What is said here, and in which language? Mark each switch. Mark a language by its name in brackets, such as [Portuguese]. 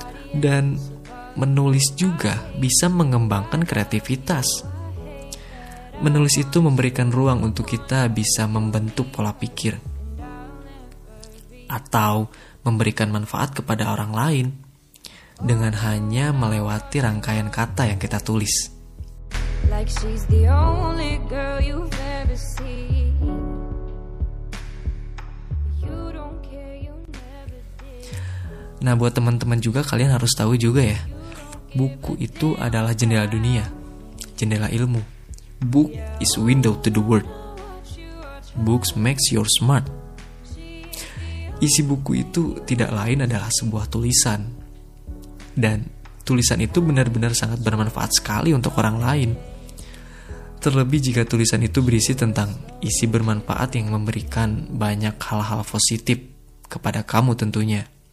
[Indonesian] Dan menulis juga bisa mengembangkan kreativitas. Menulis itu memberikan ruang untuk kita bisa membentuk pola pikir atau memberikan manfaat kepada orang lain dengan hanya melewati rangkaian kata yang kita tulis. [English] Like she's the only girl you've ever seen. You don't care, you never did. [Indonesian] Nah, buat teman-teman juga, kalian harus tahu juga ya, buku itu adalah jendela dunia, jendela ilmu. [English] Book is window to the world. Books makes you smart. [Indonesian] Isi buku itu tidak lain adalah sebuah tulisan. Dan tulisan itu benar-benar sangat bermanfaat sekali untuk orang lain. Terlebih jika tulisan itu berisi tentang isi bermanfaat yang memberikan banyak hal-hal positif kepada kamu tentunya.